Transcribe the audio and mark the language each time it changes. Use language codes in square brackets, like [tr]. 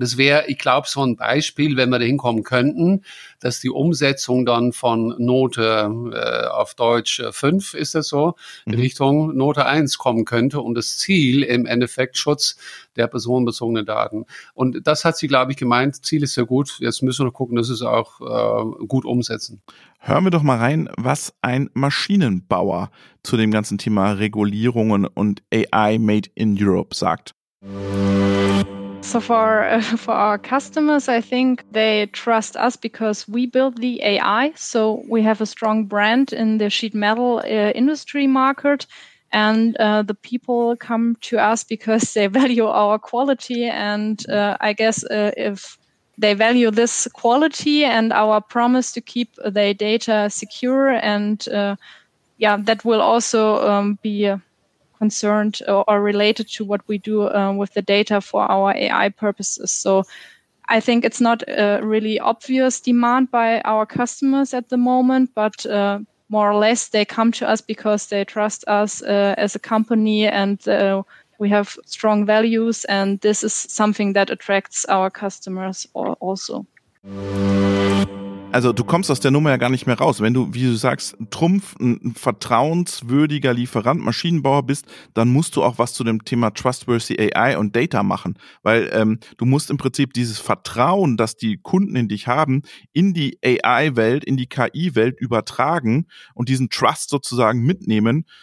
[de] Das wäre, ich glaube, so ein Beispiel, wenn wir da hinkommen könnten, dass die Umsetzung dann von Note auf Deutsch 5 ist das so, in Richtung Note 1 kommen könnte und das Ziel im Endeffekt Schutz der personenbezogenen Daten. Und das hat sie, glaube ich, gemeint, Ziel ist ja gut, jetzt müssen wir noch gucken, dass es auch gut umsetzen. Hören wir doch mal rein, was ein Maschinenbauer zu dem ganzen Thema Regulierungen und AI made in Europe sagt. [en] So for our customers, I think they trust us because we build the AI. So we have a strong brand in the sheet metal industry market. And the people come to us because they value our quality. And I guess if they value this quality and our promise to keep their data secure and yeah, that will also be concerned or related to what we do with the data for our AI purposes. So I think it's not a really obvious demand by our customers at the moment, but more or less they come to us because they trust us as a company and we have strong values and this is something that attracts our customers also. [de] Also du kommst aus der Nummer ja gar nicht mehr raus. Wenn du, wie du sagst, Trumpf, ein vertrauenswürdiger Lieferant, Maschinenbauer bist, dann musst du auch was zu dem Thema Trustworthy AI und Data machen. Weil du musst im Prinzip dieses Vertrauen, das die Kunden in dich haben, in die AI-Welt, in die KI-Welt übertragen und diesen Trust sozusagen mitnehmen.